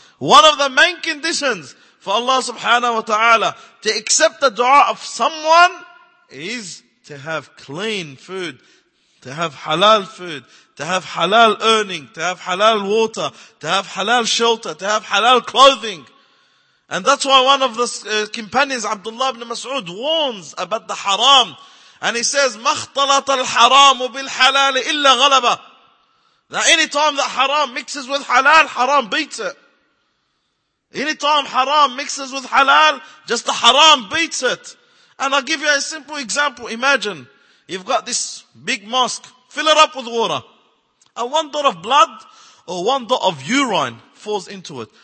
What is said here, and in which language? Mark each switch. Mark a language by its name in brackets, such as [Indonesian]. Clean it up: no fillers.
[English] One of the main conditions for Allah subhanahu wa ta'ala to accept the dua of someone is to have clean food, to have halal food, to have halal earning, to have halal water, to have halal shelter, to have halal clothing. And that's why one of the companions, Abdullah ibn Mas'ud, warns about the haram. And he says, [Arabic] مَخْتَلَطَ الْحَرَامُ بِالْحَلَالِ إِلَّا غَلَبَ. [English] That any time that haram mixes with halal, haram beats it. Any time haram mixes with halal, just the haram beats it. And I'll give you a simple example. Imagine, you've got this big mosque. Fill it up with water. And one dot of blood or one dot of urine falls into it.